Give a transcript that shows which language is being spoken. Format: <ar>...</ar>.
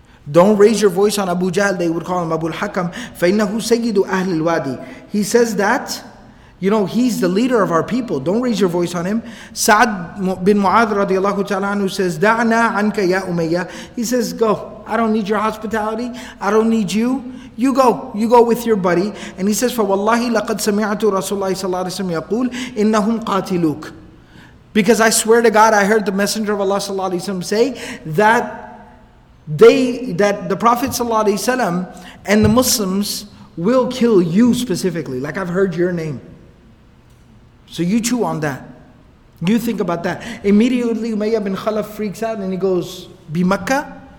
<en>Don't raise your voice on Abu Jahl. They would call him Abu al-Hakam.</en> <ar>فَإِنَّهُ سَيِّدُ أَهْلِ الْوَادِ.</ar> <en>He says that, you know, he's the leader of our people. Don't raise your voice on him. Sa'ad bin Mu'adh radiallahu ta'ala anhu says,</en> <ar>دَعْنَا عَنْكَ يَا أُمَيَّةِ.</ar> <en>He says, go. I don't need your hospitality. I don't need you. You go. You go with your buddy. And he says,</en> <ar>فَوَاللَّهِ لَقَدْ سَمِعَتُ رَسُولَ اللَّهِ صَلَّى اللَّهِ وَسَلَّمَ يَقُولُ إِنَّهُمْ قَاتِلُوكَ.</ar> <en>Because I swear to God, I heard the Messenger of Allah sallallahu alayhi wa sallam say that the Prophet sallallahu alayhi wa sallam and the Muslims will kill you specifically. Like, I've heard your name. So you chew on that. You think about that. Immediately, Umayyah bin Khalaf freaks out and he goes, be Mecca?</en>